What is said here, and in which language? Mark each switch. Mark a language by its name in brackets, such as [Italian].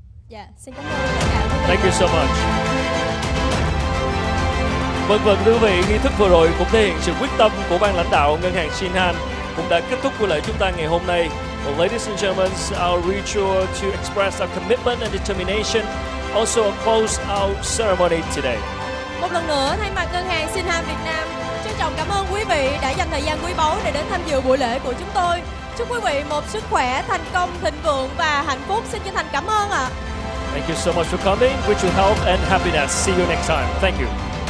[Vietnamese] Yeah, xin cảm ơn. [English] Thank you so much. [Vietnamese] Vâng vâng thưa quý vị, nghi thức vừa rồi cũng thể hiện sự quyết tâm của ban lãnh đạo ngân hàng Shinhan cũng đã kết thúc buổi lễ chúng ta ngày hôm nay. [English] Well, ladies and gentlemen, our ritual to express our commitment and determination also close our ceremony today. [Vietnamese] Một lần nữa thay mặt ngân hàng Shinhan Việt Nam, trân trọng cảm ơn quý vị đã dành thời gian quý báu để đến tham dự buổi lễ của chúng tôi. Chúc quý vị một sức khỏe, thành công, thịnh vượng và hạnh phúc. Xin chân thành cảm ơn ạ. [English] Thank you so much for coming. Wish you health and happiness. See you next time. Thank you.